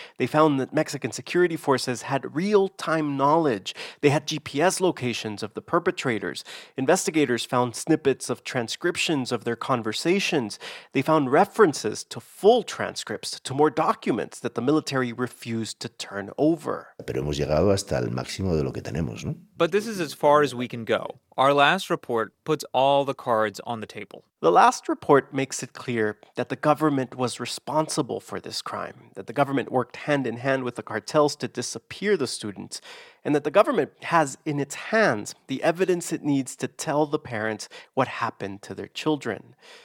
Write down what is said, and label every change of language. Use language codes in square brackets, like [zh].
[en] They found that Mexican security forces had real-time knowledge. They had GPS locations of the perpetrators. Investigators found snippets of transcriptions of their conversations. They found references to full transcripts, to more documents that the military refused to turn over. [es] Pero hemos llegado hasta el máximo de lo que tenemos, ¿no? [en] But this is as far as we can go. Our last report puts all the cards on the table. The last report makes it clear that the government was responsible for this crime, that the government worked hand in hand with the cartels to disappear the students, and that the government has in its hands the evidence it needs to tell the parents what happened to their children.